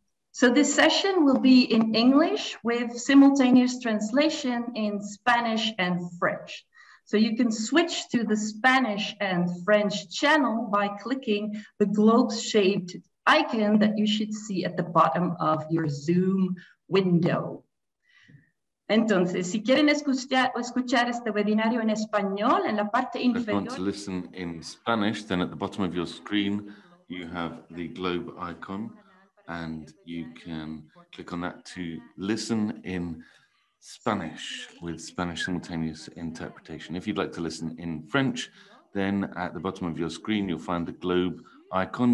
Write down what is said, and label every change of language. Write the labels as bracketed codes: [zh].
[en] So this session will be in English with simultaneous translation in Spanish and French. So you can switch to the Spanish and French channel by clicking the globe-shaped icon that you should see at the bottom of your Zoom window. [es] Entonces, si quieren escuchar este webinario en español, en la parte inferior. [en] If you want to listen in Spanish, then at the bottom of your screen, you have the globe icon, and you can click on that to listen in Spanish with Spanish simultaneous interpretation. If you'd like to listen in French, then at the bottom of your screen, you'll find the globe icon.